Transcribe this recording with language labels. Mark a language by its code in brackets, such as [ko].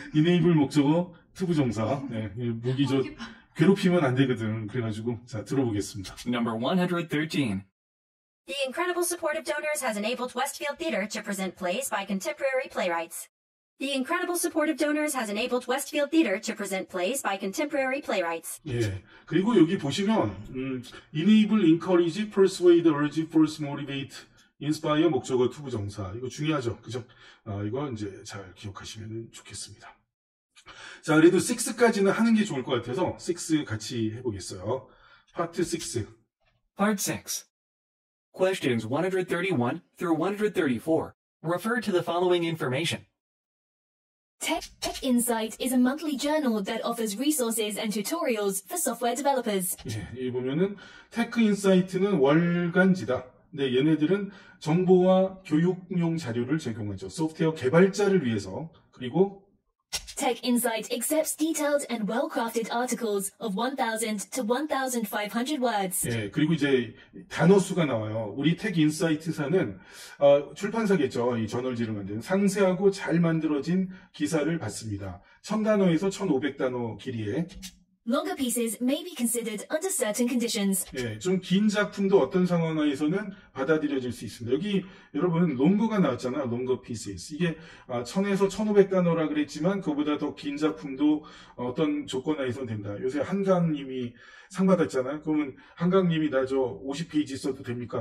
[ko] 이네이블 목적어, 투부정사. 네. 예, 모기 저, 괴롭히면 안 되거든. 그래가지고. 자, 들어보겠습니다. [en] Number 113. The incredible support of donors has enabled Westfield Theater to present plays by contemporary playwrights. The incredible support of donors has enabled Westfield Theater to present plays by contemporary playwrights. [ko] 예. 그리고 여기 보시면, enable, encourage, persuade, urge, force, motivate, inspire, 목적어, 투부정사. 이거 중요하죠. 그죠? 이거 이제 잘 기억하시면 좋겠습니다. 자, 그래도 6까지는 하는 게 좋을 것 같아서 6 같이 해보겠어요. Part 6. [en] Part 6. Questions 131 through 134 refer to the following information. Tech Insight is a monthly journal that offers resources and tutorials for software developers. [ko] 예, 여기 보면은 Tech Insight는 월간지다. 네, 얘네들은 정보와 교육용 자료를 제공하죠. 소프트웨어 개발자를 위해서. 그리고 [en] Tech Insight accepts detailed and well-crafted articles of 1,000 to 1,500 words. [ko] 예, 그리고 이제 단어 수가 나와요. 우리 Tech Insight사는 출판사겠죠. 이 저널지를 만드는 상세하고 잘 만들어진 기사를 받습니다. 1,000단어에서 1,500단어 길이의 [en] Longer pieces may be considered under certain conditions. [ko] 예, 좀 긴 작품도 어떤 상황에서는 받아들여질 수 있습니다. 여기 여러분 longer가 나왔잖아. [en] Longer pieces. [ko] 이게 1000에서 1500단어라 그랬지만 그보다 더 긴 작품도 어떤 조건하에서는 된다. 요새 한강님이 상 받았잖아. 그러면 한강님이 나 저 50페이지 써도 됩니까?